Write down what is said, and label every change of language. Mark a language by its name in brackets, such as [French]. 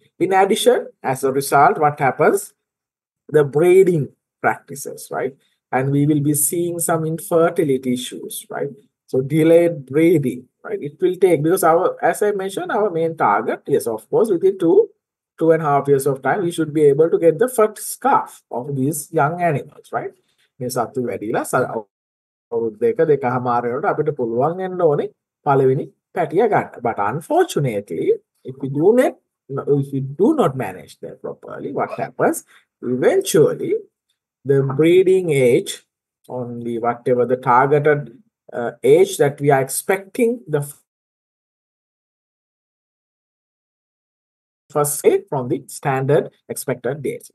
[English] In addition, as a result, what happens? The breeding practices, right? And we will be seeing some infertility issues, right? So delayed breeding, right? It will take, because our, as I mentioned, our main target is, of course, within two and a half years of time, we should be able to get the first calf of these young animals, right? [Sinhala] සත්තු වැඩිලා අවුරුදු දෙක දෙකම ආරයට අපිට පුළුවන් යන්න ඕනේ පළවෙනි පැටිය ගන්න. [English] But unfortunately, if we do not manage that properly, what happens? Eventually, the breeding age, on the whatever the targeted age that we are expecting the first date from the standard expected date.